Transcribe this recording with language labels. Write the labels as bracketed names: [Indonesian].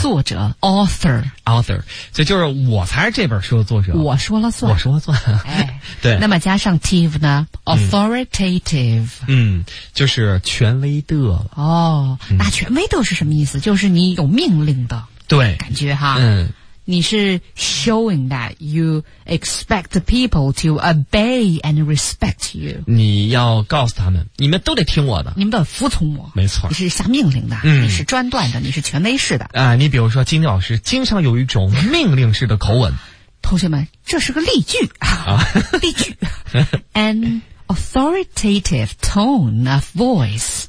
[Chinese] 作者 author，所以就是我才是这本书的作者，我说了算，我说了算。哎，对。那么加上 tive 呢 ？authoritative，就是权威的。哦，那权威的是什么意思？就是你有命令的，对，感觉哈，嗯，你是 [English] showing that you expect people to obey and respect you， [Chinese] 你要告诉他们你们都得听我的，你们得服从我，没错，你是下命令的、嗯、你是专断的，你是权威式的啊、你比如说金老师经常有一种命令式的口吻，同学们这是个例句啊，例句 [English] and authoritative tone of voice，